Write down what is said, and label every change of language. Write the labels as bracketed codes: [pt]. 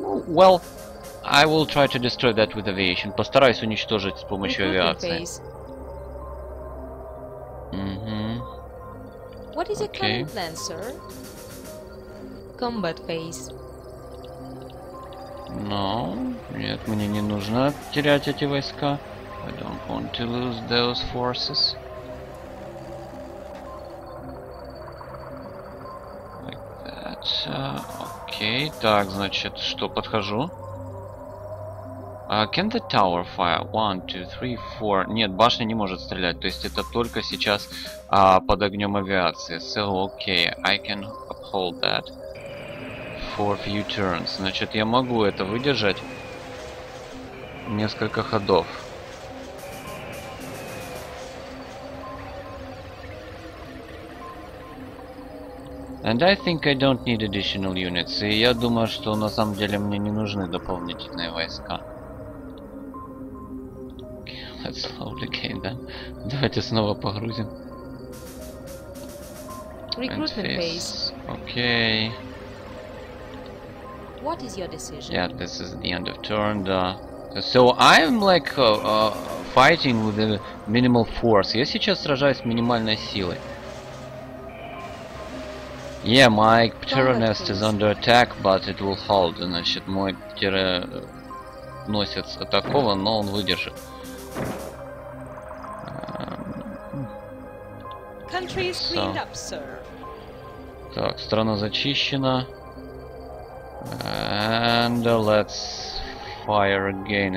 [en] Well, I will try to destroy that with aviation. [ru] Постараюсь уничтожить с помощью авиации. [en] What is your current plan, sir? Combat phase. [ru] No, нет, мне не нужно терять эти войска. [en] I don't want to lose those forces. Like that. [ru] Okay, так, значит, что, подхожу? [en] Can the tower fire? One, two, three, four. [ru] Нет, башня не может стрелять. То есть это только сейчас под огнем авиации. [en] So, okay, I can uphold that for few turns. [ru] Значит, я могу это выдержать несколько ходов. Uh, [en] And I think I don't need additional units. [ru] И я думаю, что на самом деле мне не нужны дополнительные войска. [en] Let's load the game, then. [ru] Давайте снова погрузим. [en] Recruitment phase. Okay. What is your decision? Yeah, this is the end of turn. So I'm like fighting with a minimal force. [ru] Я сейчас сражаюсь с минимальной силой. [en] Yeah, my Pteranest is under attack, but it will hold. [ru] Значит, мой Птероносец атакован, но он выдержит. [en] Country is cleaned up, sir. [ru] Так, страна зачищена. [en] And let's fire again.